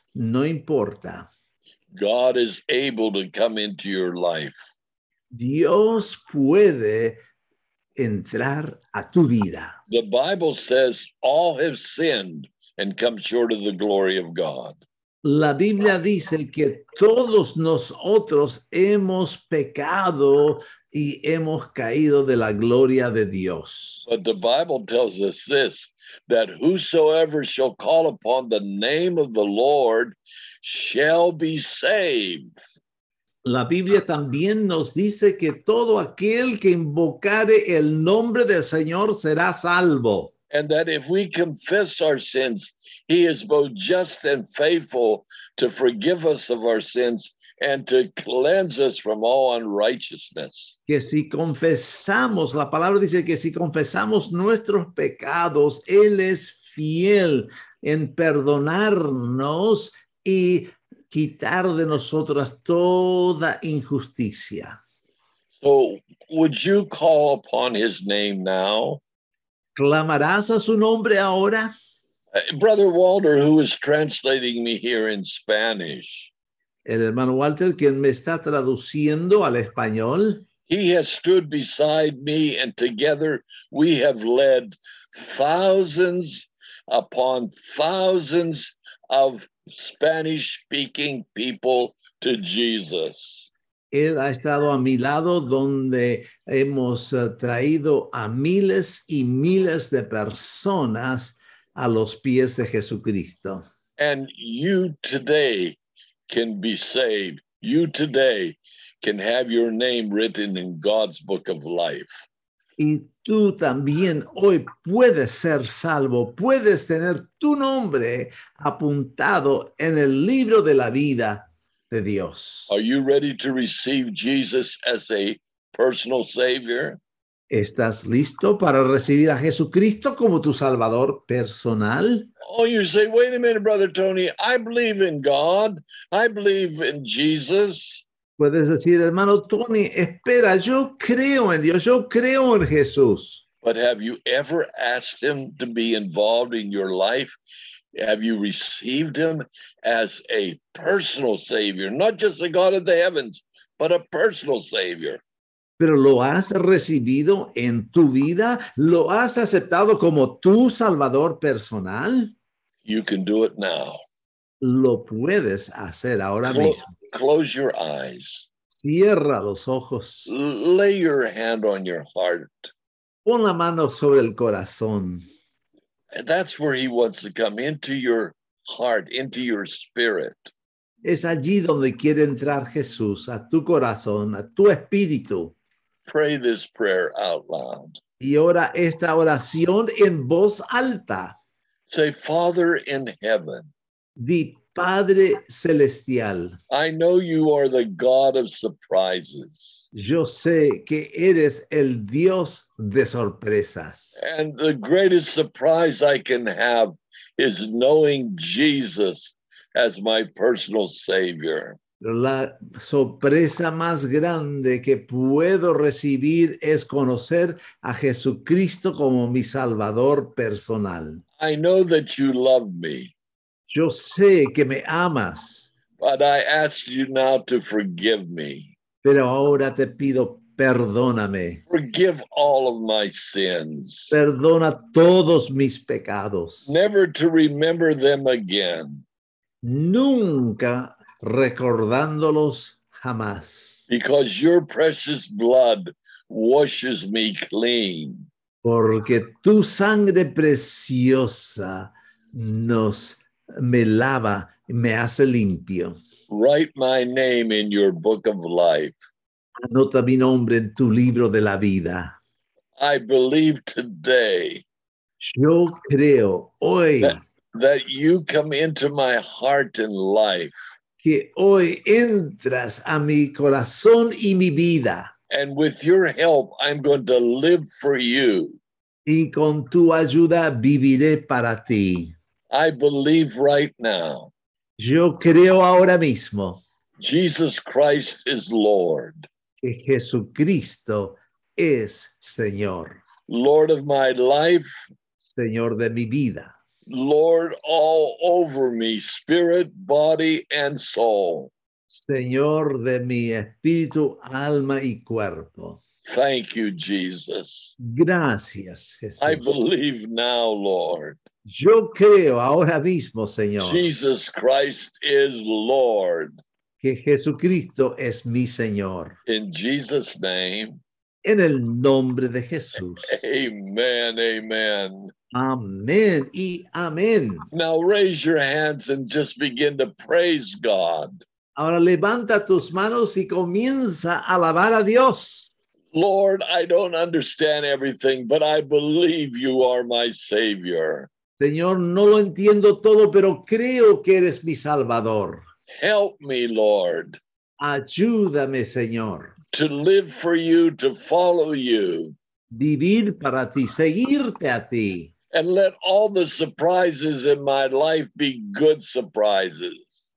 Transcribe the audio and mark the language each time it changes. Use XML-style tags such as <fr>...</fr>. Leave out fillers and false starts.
<es>No importa.</es> <en>God is able to come into your life.</en> <es>Dios puede entrar a tu vida.</es> <en>The Bible says all have sinned and come short of the glory of God.</en> <es>La Biblia dice que todos nosotros hemos pecado y hemos caído de la gloria de Dios.</es> <en>But the Bible tells us this, that whosoever shall call upon the name of the Lord shall be saved.</en> <es>La Biblia también nos dice que todo aquel que invocare el nombre del Señor será salvo.</es> <en>And that if we confess our sins, he is both just and faithful to forgive us of our sins and to cleanse us from all unrighteousness.</en> <es>Que si confesamos, la palabra dice que si confesamos nuestros pecados, él es fiel en perdonarnos y quitar de nosotras toda injusticia.</es> <en>So, would you call upon his name now?</en> <es>¿Clamarás a su nombre ahora?</es> <en>Brother Walter, who is translating me here in Spanish.</en> <es>El hermano Walter, quien me está traduciendo al español.</es> <en>He has stood beside me and together we have led thousands upon thousands of Spanish-speaking people to Jesus.</en> <es>Él ha estado a mi lado donde hemos traído a miles y miles de personas a los pies de Jesucristo.</es> <en>And you today can be saved. You today can have your name written in God's book of life.</en> <es>Y tú también hoy puedes ser salvo. Puedes tener tu nombre apuntado en el libro de la vida de Dios.</es> <en>Are you ready to receive Jesus as a personal savior?</en> <es>¿Estás listo para recibir a Jesucristo como tu salvador personal?</es> <en>Oh, you say, wait a minute, Brother Tony, I believe in God. I believe in Jesus.</en> <es>Puedes decir, hermano Tony, espera, yo creo en Dios, yo creo en Jesús.</es> <en>But have you ever asked him to be involved in your life? Have you received him as a personal savior, not just the God of the heavens, but a personal savior?</en> <es>¿Pero lo has recibido en tu vida? ¿Lo has aceptado como tu salvador personal?</es> <en>You can do it now.</en> <es>Lo puedes hacer ahora mismo.</es> <en>Close your eyes.</en> <es>Cierra los ojos.</es> <en>Lay your hand on your heart.</en> <es>Pon la mano sobre el corazón.</es> <en>And that's where he wants to come, into your heart, into your spirit.</en> <es>Es allí donde quiere entrar Jesús, a tu corazón, a tu espíritu.</es> <en>Pray this prayer out loud.</en> <es>Y ora esta oración en voz alta.</es> <en>Say, Father in heaven.</en> <es>Di, Padre celestial.</es> <en>I know you are the God of surprises.</en> <es>Yo sé que eres el Dios de sorpresas.</es> <en>And the greatest surprise I can have is knowing Jesus as my personal savior.</en> <es>La sorpresa más grande que puedo recibir es conocer a Jesucristo como mi salvador personal.</es> <en>I know that you love me.</en> <es>Yo sé que me amas.</es> <en>But I ask you now to forgive me.</en> <es>Pero ahora te pido, perdóname.</es> <en>Forgive all of my sins.</en> <es>Perdona todos mis pecados.</es> <en>Never to remember them again.</en> <es>Nunca recordándolos jamás.</es> <en>Because your precious blood washes me clean.</en> <es>Porque tu sangre preciosa nos me lava, me hace limpio.</es> <en>Write my name in your book of life.</en> <es>Anota mi nombre en tu libro de la vida.</es> <en>I believe today.</en> <es>Yo creo hoy.</es> <en>That you come into my heart and life.</en> <es>Que hoy entras a mi corazón y mi vida.</es> <en>And with your help, I'm going to live for you.</en> <es>Y con tu ayuda viviré para ti.</es> <en>I believe right now.</en> <es>Yo creo ahora mismo.</es> <en>Jesus Christ is Lord.</en> <es>Que Jesucristo es Señor.</es> <en>Lord of my life.</en> <es>Señor de mi vida.</es> <en>Lord all over me, spirit, body, and soul.</en> <es>Señor de mi espíritu, alma y cuerpo.</es> <en>Thank you, Jesus.</en> <es>Gracias, Jesús.</es> <en>I believe now, Lord.</en> <es>Yo creo ahora mismo, Señor.</es> <en>Jesus Christ is Lord.</en> <es>Que Jesucristo es mi Señor.</es> <en>In Jesus' name.</en> <es>En el nombre de Jesús.</es> <en>Amen, amen.</en> <es>Amen y amen.</es> <en>Now raise your hands and just begin to praise God.</en> <es>Ahora levanta tus manos y comienza a alabar a Dios.</es> <en>Lord, I don't understand everything, but I believe you are my Savior.</en> <es>Señor, no lo entiendo todo, pero creo que eres mi Salvador.</es> <en>Help me, Lord.</en> <es>Ayúdame, Señor.</es> <en>To live for you, to follow you.</en> <es>Vivir para ti, seguirte a ti.</es> <en>And let all the surprises in my life be good surprises.</en>